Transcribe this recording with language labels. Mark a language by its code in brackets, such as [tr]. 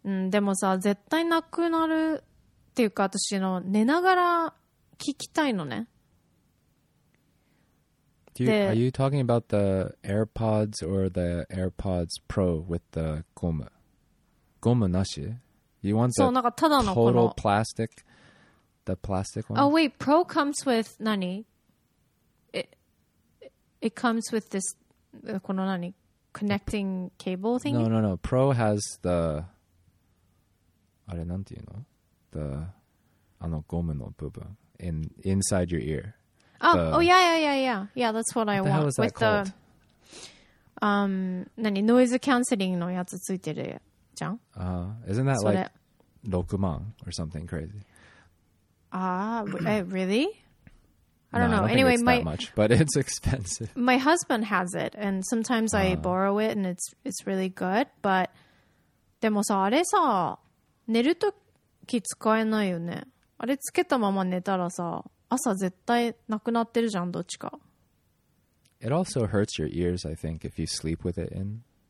[ja] でもさ、絶対なくなるっていうか、私の寝ながら聞きたいのね。 [en] Are you talking about the AirPods or the AirPods Pro with the gomu? [ja] Gomu nashi? [en] You want the total plastic? The plastic one? Oh, wait. Pro comes with [ja] 何? [en] It comes with this [ja] この何? [en] Connecting cable thing? No. Pro has the... [ja] あれなんていうの? [en] The... [ja] あのゴムの部分 [en] inside your ear. Oh, yeah, that's what I want. What the hell is that called? The, noise cancelling [ja] のやつついてるじゃん? [en] Isn't that like 6万 or something crazy? Really? I don't know, anyway, it's not that much, but it's expensive. My husband has it, and sometimes I borrow it, and it's really good, but... [ja] でもさ、あれさ、寝るとき使えないよね。あれつけたまま寝たらさ、朝絶対なくなってるじゃん、どっちか。 [en] It also hurts your ears, I think, if you sleep with it in.